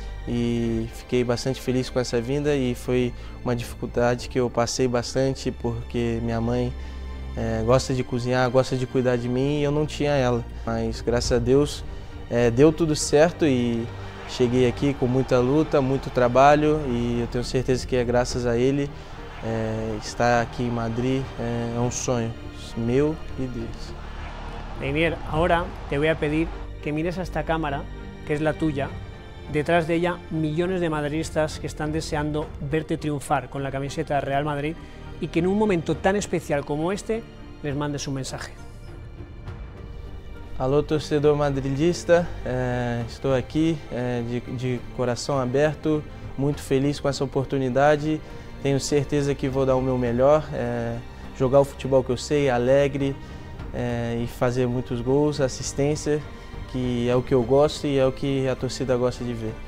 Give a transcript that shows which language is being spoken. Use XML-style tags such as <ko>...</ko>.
<pt>E fiquei bastante feliz com essa vinda. E foi uma dificuldade que eu passei bastante, porque minha mãe gosta de cozinhar, gosta de cuidar de mim, e eu não tinha ela. Mas graças a Deus, deu tudo certo e cheguei aqui com muita luta, muito trabalho, e eu tenho certeza que é graças a ele. Estar aqui em Madrid é um sonho meu e deles.</pt> <es>Leinier, agora te voy a pedir que mires a esta cámara, que es la tuya. Detrás de ella, millones de madridistas que están deseando verte triunfar con la camiseta de Real Madrid, y que en un momento tan especial como este les mandes un mensaje.</es> <pt>Alô, torcedor madridista, estou aqui de coração aberto, muito feliz com essa oportunidade. Tenho certeza que vou dar o meu melhor, jogar o futebol que eu sei, alegre, e fazer muitos gols, assistência, que é o que eu gosto e é o que a torcida gosta de ver.</pt>